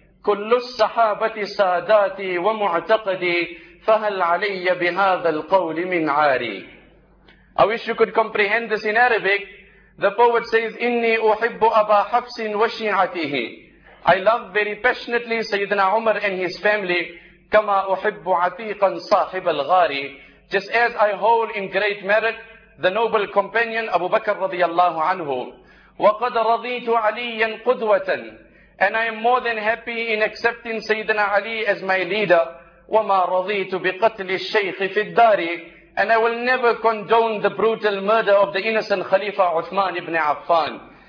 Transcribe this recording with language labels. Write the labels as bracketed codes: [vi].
[ar] كل الصحابة ساداتي ومعتقدي فهل علي بهذا القول من عاري [en] I wish you could comprehend this in Arabic. The poet says, [ar] إني أحب أبا حفص وشيعته. [en] I love very passionately Sayyidina Umar and his family. [ar] كما أحب عتيقا صاحب الغاري. [en] Just as I hold in great merit the noble companion Abu Bakr رضي الله عنه. [ar] وقد رضيت عليا قدوة [en] And I am more than happy in accepting Sayyidina Ali as my leader. [ar] وَمَا رَضِيتُ بِقَتْلِ الشَّيْخِ فِي الدَّارِ [en] And I will never condone the brutal murder of the innocent Khalifa Uthman ibn Affan.